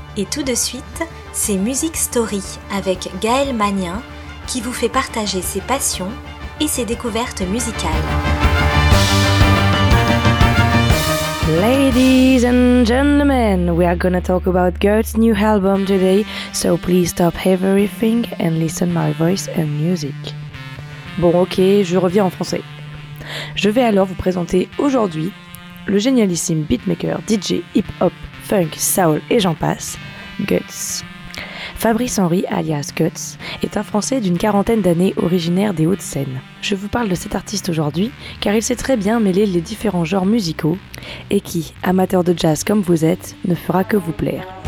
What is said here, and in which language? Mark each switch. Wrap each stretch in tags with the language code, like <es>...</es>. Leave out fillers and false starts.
<fr>Et tout de suite, c'est Music Story avec Gaël Magnien qui vous fait partager ses passions et ses découvertes musicales.</fr> <en>Ladies and gentlemen, we are gonna talk about Gert's new album today, so please stop everything and listen my voice and music.</en> <fr>Bon, ok, je reviens en français. Je vais alors vous présenter aujourd'hui le génialissime beatmaker, DJ, hip-hop, funk, soul et j'en passe, Guts. Fabrice Henry, alias Guts, est un Français d'une quarantaine d'années originaire des Hauts-de-Seine. Je vous parle de cet artiste aujourd'hui car il sait très bien mêler les différents genres musicaux et qui, amateur de jazz comme vous êtes, ne fera que vous plaire.</fr>